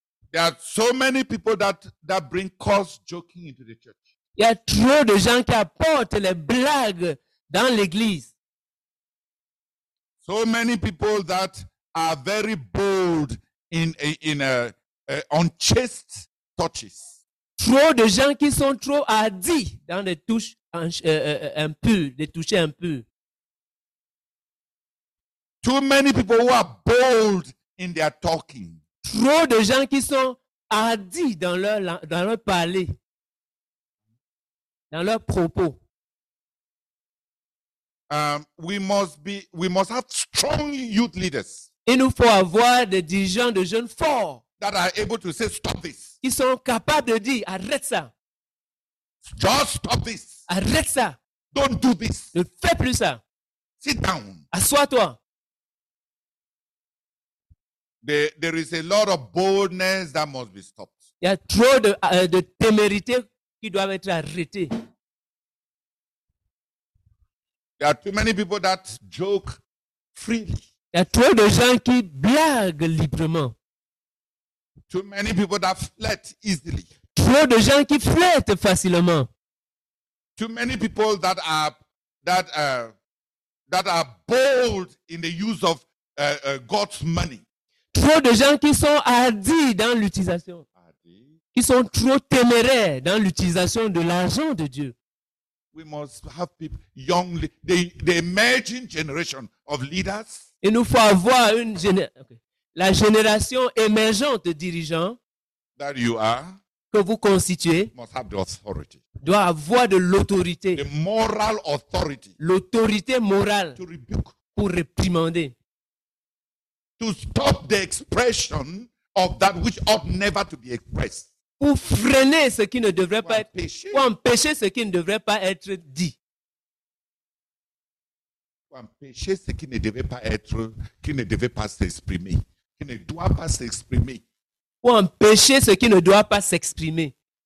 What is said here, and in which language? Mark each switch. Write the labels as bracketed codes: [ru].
[en] There are so many people that bring coarse joking into the church. [fr] Il y a trop de gens qui apportent les blagues dans l'église. [en] So many people that are very bold in unchaste. [fr] Trop de gens qui sont trop hardis dans les touches impures, des touches impures. [en] Too many people who are bold in their talking. [fr] Trop de gens qui sont hardis dans leur parler, dans leurs propos. [en] We must have strong youth leaders. [fr] Il nous faut avoir des dirigeants de jeunes forts. [en] That are able to say stop this. [fr] Ils sont capables de dire arrête ça. [en] Just stop this. [fr] Arrête ça. [en] Don't do this. [fr] Ne fais plus ça. [en] Sit down. [fr] Assois-toi. [en] There is a lot of boldness that must be stopped. [fr] Il y a trop de témérité qui doivent être arrêtées. [en] There are too many people that joke freely. [fr] Il y a trop de gens qui blaguent librement. [en] Too many people that flirt easily. [fr] Trop de gens qui flirtent facilement. [en] Too many people that are bold in the use of God's money. [fr] Trop de gens qui sont hardis dans l'utilisation. Hardis. Qui sont trop téméraires dans l'utilisation de l'argent de Dieu. [en] We must have people young, the emerging generation of leaders. [fr] Il nous faut avoir une génération. Okay. La génération émergente de dirigeants [en] that you are, [fr] que vous constituez [en] must have the authority. [fr] Doit avoir de l'autorité. [en] The moral authority. [fr] L'autorité morale [en] to rebuke. [fr] Pour réprimander. [en] To stop the expression of that which ought never to be expressed. [fr] Pour freiner ce qui ne devrait [en] to [fr] pas empêcher. Être, pour empêcher ce qui ne devrait pas être dit. Pour empêcher ce qui ne devait pas être, qui ne devait pas s'exprimer, qui ne doit pas s'exprimer. pour empêcher ce qui ne doit pas s'exprimer.